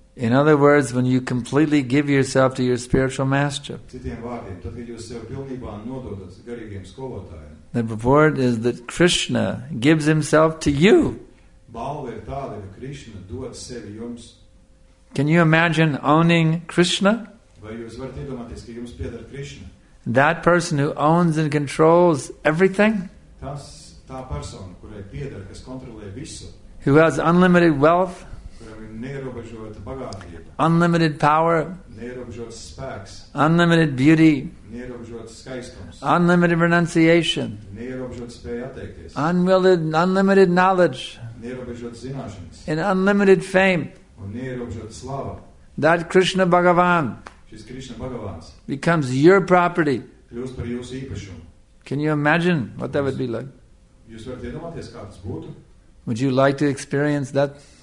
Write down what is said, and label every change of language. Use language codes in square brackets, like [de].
[en] In other words, when you completely give yourself to your spiritual master, [lv] citiem vārdiem, tad, kad jūs sev pilnībā nododat garīgiem skolotājiem, [en] the reward is that Krishna gives himself to you. [lv] Balva ir tāda, ka Krishna dod sevi jums. [en] Can you imagine owning Krishna? [lv] Vai jūs varat iedomāties, ka jums pieder Krishna? [en] That person who owns and controls everything, [lv] tas, tā persona, kurai pieder, kas kontrolē visu, [en] who has unlimited wealth, [lv] neierobežota bagātība, [en] unlimited power, [lv] neierobežots spēks, [en] unlimited beauty, [lv] neierobežots skaistums, [en] unlimited renunciation, [lv] neierobežots spēja atteikties, [en] unlimited knowledge, [lv] neierobežots zināšanas, [en] and unlimited fame, [lv] un neierobežots slava. [en] That Krishna Bhagavan, [lv] šis Krishna Bhagavans, [en] becomes your property. [lv] Kļūst par jūsu īpašumu. [en] Can you imagine what that would be like? [lv] Jūs varat iedomāties, kā tas būtu? [en] Would you like to experience that?